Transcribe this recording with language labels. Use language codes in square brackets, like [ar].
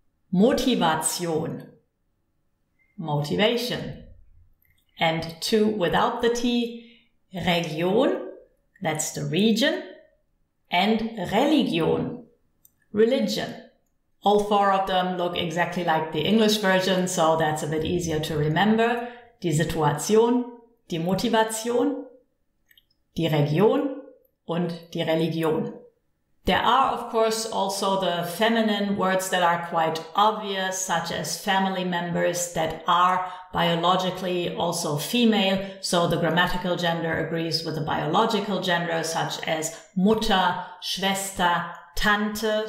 [en] Motivation, motivation. And two without the T, Region, that's the region. And Religion, religion. All four of them look exactly like the English version, so that's a bit easier to remember. [de] Die Situation, die Motivation, die Region und die Religion. [en] There are, of course, also the feminine words that are quite obvious, such as family members that are biologically also female. So the grammatical gender agrees with the biological gender, such as [de] Mutter, Schwester, Tante.